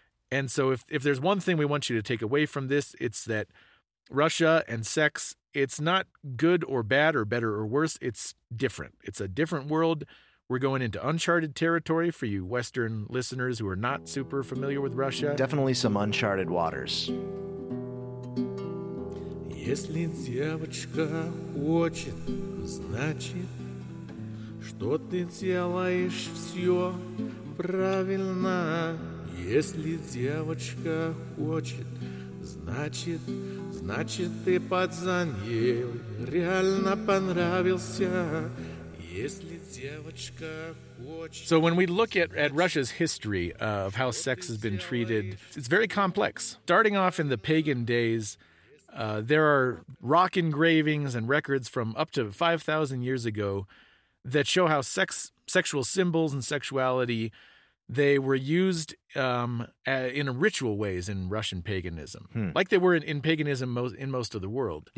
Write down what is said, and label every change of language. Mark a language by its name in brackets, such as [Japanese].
[English] And so if there's one thing we want you to take away from this, it's that Russia and sex, it's not good or bad or better or worse. It's different. It's a different world. We're going into uncharted territory for you Western listeners who are not super familiar with Russia. Definitely some uncharted waters. [Russian] Если девочка хочет, значит, что ты делаешь все правильно. Если девочка хочет, значит, значит, ты подзанил, реально понравился, если девочка хочет. [English] So when we look at Russia's history of how sex has been treated, it's very complex. Starting off in the pagan days, there are rock engravings and records from up to 5,000 years ago that show how sexual symbols and sexuality, they were used in ritual ways in Russian paganism, like they were in paganism in most of the world.